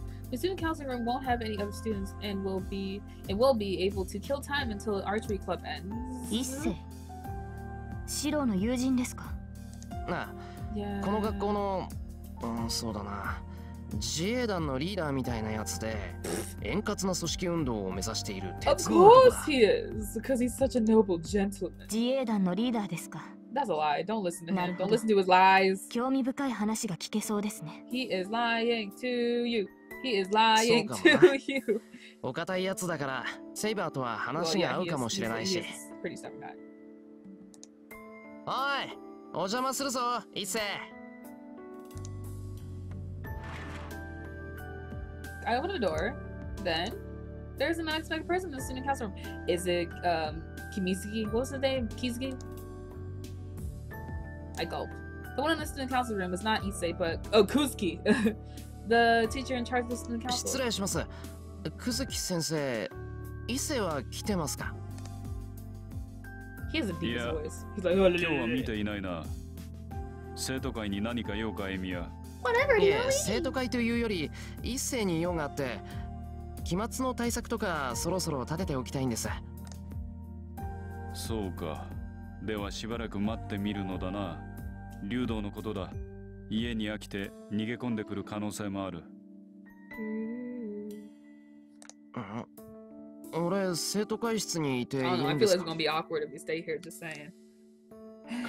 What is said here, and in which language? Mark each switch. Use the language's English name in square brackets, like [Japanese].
[English] The student counseling room won't have any other students and will be able to kill time until the archery club ends. [Japanese] 一世、シローの友人ですか。なあ、この学校の、そうだな、自衛団のリーダーみたいなやつで、円滑な組織運動を目指している鉄男だ。 [English] Of course he is, because he's such a noble gentleman. [Japanese] 自衛団のリーダーですか。 [English] That's a lie. Don't listen to him. Don't listen to his lies. [Japanese] 興味深い話が聞けそうですね。 [English] He is lying to you. He is lying to you. [Japanese] お堅いやつだから、セイバーとは話が合うかもしれないし。 [English] Pretty [Japanese] おい、お邪魔するぞ、一世。 [English] I open the door, then there's an unexpected person in the student council room. Is it Kimizuki? What was his name? Kizuki? I gulp. The one in the student council room is not Issei, but Kuzuki, the teacher in charge of the student council. [Japanese] 失礼します.Kuzuki-sensei, Issei wa kite masu ka? [English] He has a deepest voice. He's like, oh, I'm not seeing you. [Japanese] 生徒会に何か用か、エミヤ。 [English] Whatever, you know me! [Japanese] 生徒会というより、一斉に用があって、 期末の対策とかそろそろ立てておきたいんです。そうか。ではしばらく待ってみるのだな。リュウドウのことだ。家に飽きて逃げ込んでくる可能性もある。俺、生徒会室にいていいんですか? [English] I don't know, I feel like it's gonna be awkward if you stay here, just saying.